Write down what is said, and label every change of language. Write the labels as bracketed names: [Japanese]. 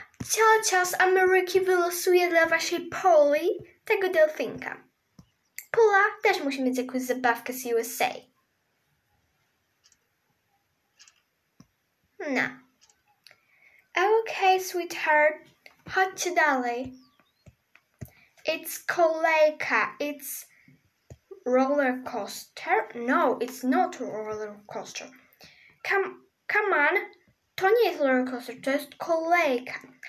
[Polish] Ciocia z Ameryki wylosuje dla waszej Poli tego delfinka. Pula też musi mieć jakąś zabawkę z USA. No. Sweetheart, chodźcie dalej. [English] It's [Polish] kolejka, [English] it's roller coaster. No, it's not roller coaster. Come on, [Polish] to nie jest roller coaster, to jest kolejka.